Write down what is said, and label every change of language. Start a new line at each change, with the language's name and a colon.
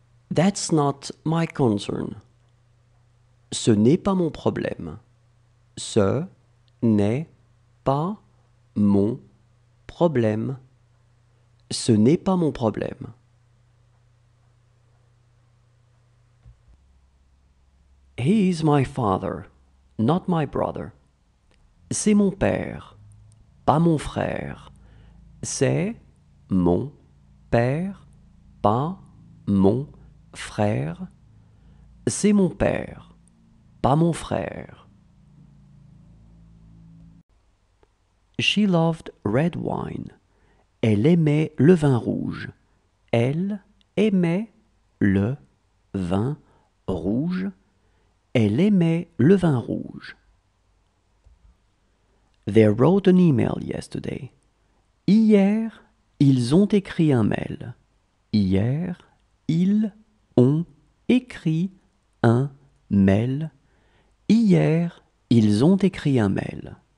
English: That's not my concern.
French: Ce n'est pas mon problème. Ce n'est pas mon problème. Ce n'est pas mon problème.
English: He is my father, not my brother.
French: C'est mon père, pas mon frère. C'est mon père, pas mon frère. Frère, c'est mon père, pas mon frère.
English: She loved red wine.
French: Elle aimait le vin rouge. Elle aimait le vin rouge. Elle aimait le vin rouge.
English: They wrote an email yesterday.
French: Hier, ils ont écrit un mail. Hier, ils ont écrit un mail. Hier, ils ont écrit un mail.